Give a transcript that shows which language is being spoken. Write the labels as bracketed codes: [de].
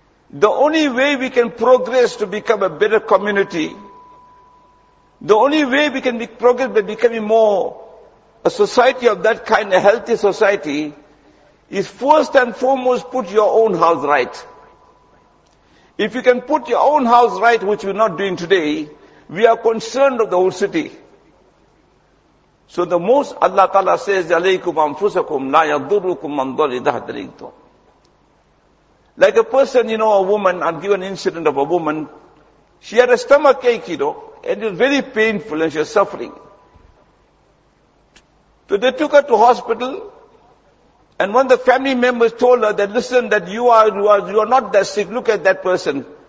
[en] The only way we can progress to become a better community, the only way we can progress by becoming more a society of that kind, a healthy society, is first and foremost put your own house right. If you can put your own house right, which we're not doing today, we are concerned of the whole city. So the most Allah Ta'ala says, [ar] عَلَيْكُمْ أَنفُسَكُمْ لَا يَضُرُّكُمْ مَنْ ضَلَّ إِذَا اهْتَدَيْتُمْ. [en] Like a person, you know, a woman, I'll give an incident of a woman. She had a stomach ache, you know, and it was very painful and she was suffering. So they took her to hospital, and one of the family members told her that, listen, that you are not that sick, look at that person.